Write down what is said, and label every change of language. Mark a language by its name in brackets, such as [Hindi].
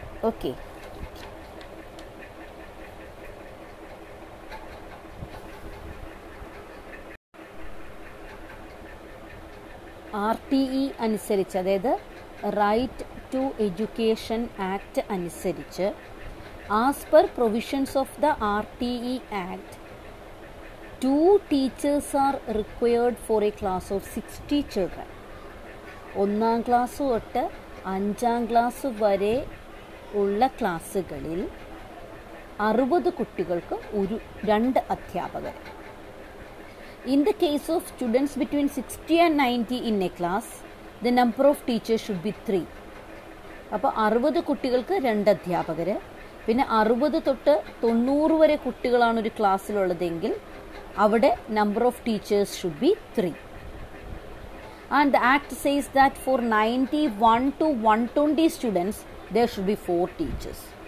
[Malayalam] Okay, RTE അനുസരിച്ച്, അതായത് right to education act അനുസരിച്ച്, [English] As per provisions of the RTE act, two teachers are required for a class of 60 children. [Malayalam] ഒന്നാം class തൊട്ട് അഞ്ചാം class വരെ ഉള്ള ക്ലാസ്സുകളിൽ 60 കുട്ടികൾക്ക് ഒരു രണ്ട് അധ്യാപകരെ. [English] In the case of students between 60 and 90 in a class, the number of teachers should be 3. [Malayalam] അപ്പോൾ 60 കുട്ടികൾക്ക് രണ്ട് അധ്യാപകർ, പിന്നെ 60 തൊട്ട് 90 വരെ കുട്ടികളാണ് ഒരു ക്ലാസ്സിലുള്ളതെങ്കിൽ അവിടെ [English] Number of teachers should be 3. And act says that for 91 to 120 students there should be 4 teachers.